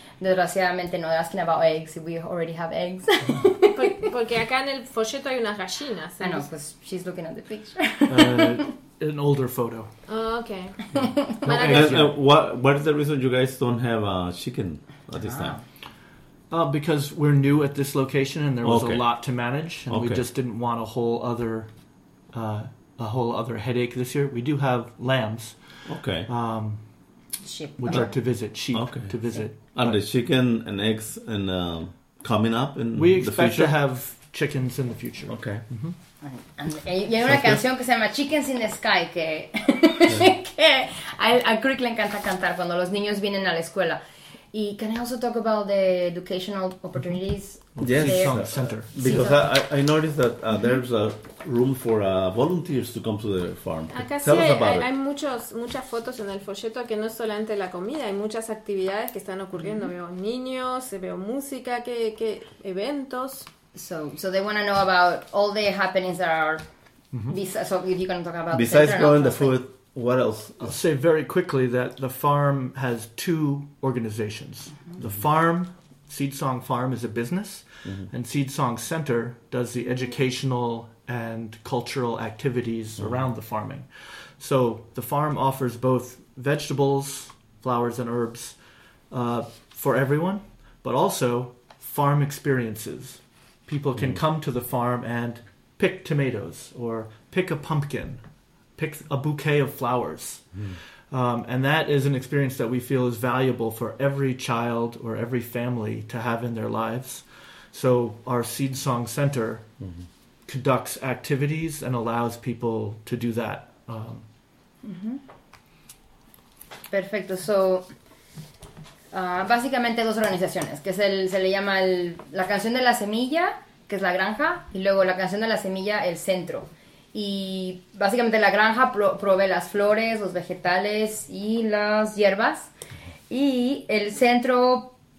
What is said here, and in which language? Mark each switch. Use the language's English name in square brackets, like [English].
[Spanish] Desgraciadamente no, [English] asking about eggs, we already have eggs. [Spanish] Porque acá en el folleto hay unas gallinas, ¿sabes? [English] I know, because she's looking at the picture. An older photo. Oh, okay. What is the reason you guys don't have a chicken at this time? Because we're new at this location and there was a lot to manage, and we just didn't want a whole other headache this year. We do have lambs. Okay. Sheep. Which are to visit. Sheep to visit. Yeah. And the chicken and eggs and coming up in future? We expect to have chickens in the future. Okay. [Spanish] Mm-hmm. Y hay una canción que se llama Chickens in the Sky que, que a Crick le encanta cantar cuando los niños vienen a la escuela. [English] Y can I also talk about the educational opportunities? Yes, center. Because I noticed that there's a room for volunteers to come to the farm. Tell us about it. [Spanish] Hay muchas fotos en el folleto que no es solamente la comida, hay muchas actividades que están ocurriendo. Mm-hmm. Veo niños, veo música, qué eventos. [English] So they want to know about all the happenings that are. Mm-hmm. So if you can talk about besides growing not, the food. What else? I'll say very quickly that the farm has two organizations. Mm-hmm. The farm, Seed Song Farm, is a business, mm-hmm. and Seed Song Center does the educational and cultural activities mm-hmm. around the farming. So the farm offers both vegetables, flowers, and herbs for everyone, but also farm experiences. People can come to the farm and pick tomatoes or pick a pumpkin. Pick a bouquet of flowers. Mm. And that is an experience that we feel is valuable for every child or every family to have in their lives. So our Seed Song Center conducts activities and allows people to do that. [Spanish] Perfecto. So, básicamente dos organizaciones, que se le llama la canción de la semilla, que es la granja, y luego la canción de la semilla, el centro. Y básicamente la granja provee las flores, los vegetales y las hierbas. Y el centro